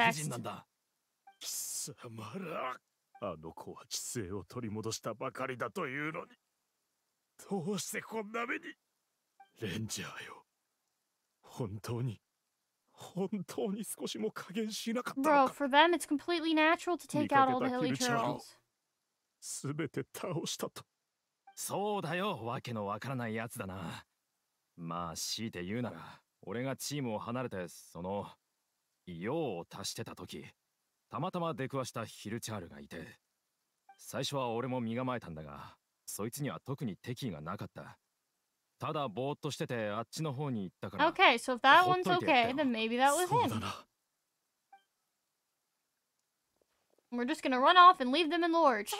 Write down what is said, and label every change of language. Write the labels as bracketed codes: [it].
[ja] 理不尽なんだ。貴様ら! あの子は知性を取り戻したばかりだというのに。どうしてこんな目に。レンジャーよ、本当に本当に少しも加減しなかったのか。 [en] Bro, for them it's completely natural to take out all the hilly churls. [ja] 全て倒したと。そうだよ、わけのわからないやつだな。まあ強いて言うなら、俺がチームを離れてその用を足してた時、たまたま出くわしたヒルチャールがいて、最初は俺も身構えたんだが、そいつには特に敵意がなかった。ただぼーっとしててあっちの方に行ったから。 [en] Okay, so if that one's okay, then maybe that was him. We're just gonna run off and leave them in the lurch.